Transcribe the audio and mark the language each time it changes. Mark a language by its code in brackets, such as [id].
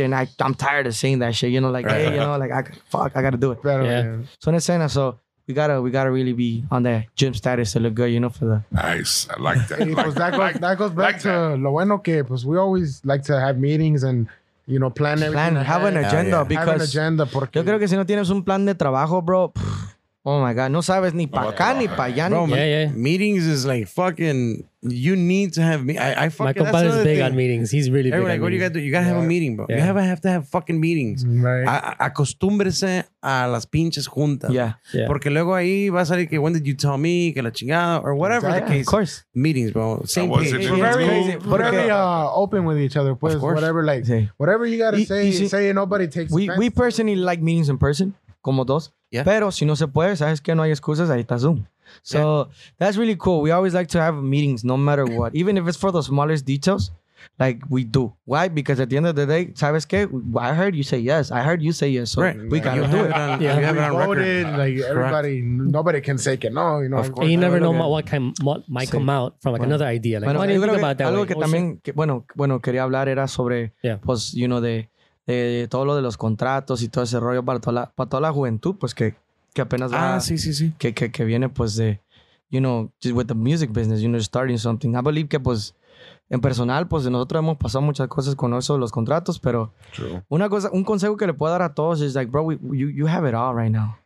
[en] And I'm tired of saying that shit. You know, like, hey, you know, like, I gotta do it. Better, yeah. [es] Son escenas, so. [en] We gotta really be on that gym status to look good, you know, for the... Nice. I like that. That goes back to lo bueno que, pues, we always like to have meetings and, you know, plan ahead. Have an agenda, because... Have an agenda, porque... [es] Yo creo que si no tienes un plan de trabajo, bro, oh my God, no sabes ni pa' acá, ni pa' allá, ni... [en] Meetings is like fucking... You need to have meetings. I fucking... My compadre's big on meetings. He's really big on meetings. What do you got to do? You got to have a meeting, bro. Yeah. You have to have fucking meetings. Right. [es] Acostúmbrese a las pinches juntas. [en] Yeah. [es] Porque luego ahí va a salir que when did you tell me, que la chingada, or whatever the case. [en] Of course. Meetings, bro. Same case. We're very open with each other. Pues, of course. Whatever, like, whatever you got to say, nobody takes offense. We personally like meetings in person, como dos. Yeah. [es] Pero si no se puede, sabes que no hay excusas, ahí está Zoom. [en] So that's really cool. We always like to have meetings no matter what. Even if it's for the smallest details, like we do. Why? Because at the end of the day, ¿sabes qué? I heard you say yes. I heard you say yes. So we got to do it. Nobody can say que no. You know, of course. And you never know what might come out from like another idea. Like, why do you think about that? [es] Algo que también, bueno, quería hablar era sobre, pues, you know, de todo lo de los contratos y todo ese rollo para toda la juventud, pues que apenas va, sí. [en] Que viene, pues, de, you know, just with the music business, you know, starting something. [es] I believe que, pues, en personal, pues, nosotros hemos pasado muchas cosas con eso de los contratos, pero un consejo que le puedo dar a todos es, like, bro, you have it all right now.